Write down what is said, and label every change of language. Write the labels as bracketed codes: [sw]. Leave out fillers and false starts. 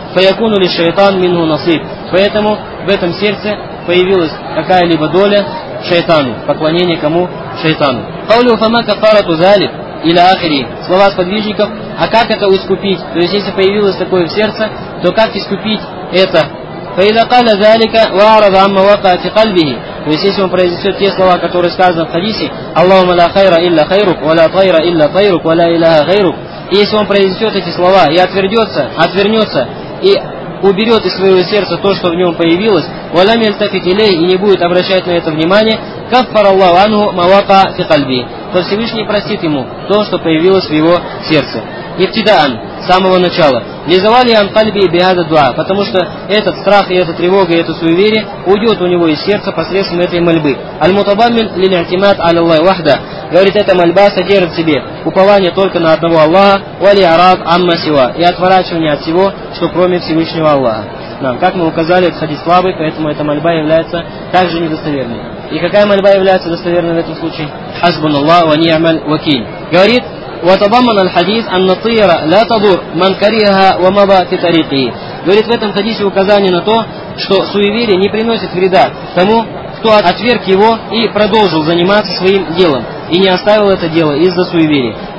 [ru] Фаякуну ли шайтан мину насыб. Поэтому в этом сердце появилась какая-либо доля шайтану, поклонение кому? Шайтану. Каулю фама кафарату залиб или ахири. Слова сподвижников, а как это искупить? То есть, если появилось такое в сердце, то как искупить это? [ar] فإذا قال ذلك وأعرض عما وقع في قلبه. [ru] То есть, если он произнесет те слова, которые сказаны в хадисе, Аллахумма ла хайра илля хайрук, ва ла тайра илля тайрук, ва ла илляха гайрук. И если он произнесет эти слова и отвернется и уберет из своего сердца то, что в нем появилось, ва лам йальтафит илей, и не будет обращать на это внимание, каффара Аллаху анху ма вака фи кальби, то Всевышний простит ему то, что появилось в его сердце. Ибтидаан, с самого начала. Лизавали ан кальби и биада дуа, потому что этот страх и эта тревога и это суеверие уйдет у него из сердца посредством этой мольбы. Аль-мутабаммин лиль-атимат аль-Аллах вахда. Говорит, эта мольба содержит в себе упование только на одного Аллаха, вали араб амма сива, и отворачивание от всего, что кроме Всевышнего Аллаха. Да, как мы указали, это хадис слабый, поэтому эта мольба является также недостоверной. И какая мольба является достоверной в этом случае? Хасбуналлаху ва ни'мал вакил. Говорит, [ar] وتضمن الحديث أن الطيرة لا تضر من كرهها ومضى في طريقه. [ru] Говорит, в этом хадисе указание на то, что суеверие не приносит вреда тому, кто отверг его и продолжил заниматься своим делом и не оставил это дело из-за суеверия.